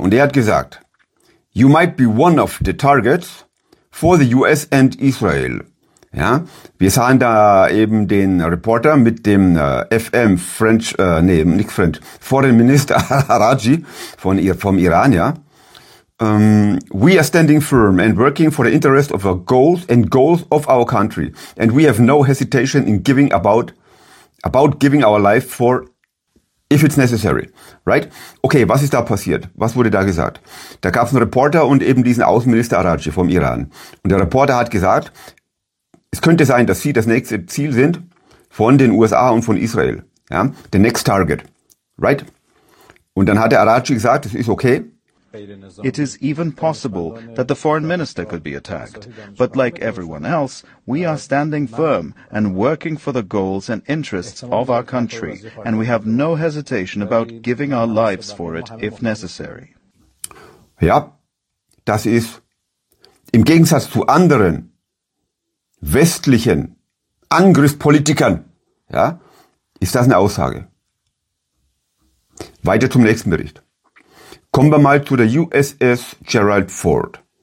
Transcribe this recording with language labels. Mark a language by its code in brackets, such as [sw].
[de] Und er hat gesagt, [en] you might be one of the targets for the US and Israel. [de] Ja, wir sahen da eben den Reporter mit dem Foreign Minister Araghchi vom Iran, ja. [en] We are standing firm and working for the interest of our goals and goals of our country. And we have no hesitation in giving about giving our life for if it's necessary. Right? [de] Okay, was ist da passiert? Was wurde da gesagt? Da gab es einen Reporter und eben diesen Außenminister Araghchi vom Iran. Und der Reporter hat gesagt, es könnte sein, dass sie das nächste Ziel sind von den USA und von Israel. Ja? [en] The next target. Right? [de] Und dann hat der Araghchi gesagt, es ist okay. [en] It is even possible that the foreign minister could be attacked. But like everyone else, we are standing firm and working for the goals and interests of our country. And we have no hesitation about giving our lives for it if necessary. [de] Ja, das ist im Gegensatz zu anderen westlichen Angriffspolitikern, ja, ist das eine Aussage. Weiter zum nächsten Bericht. Kommen wir mal zu der USS Gerald Ford.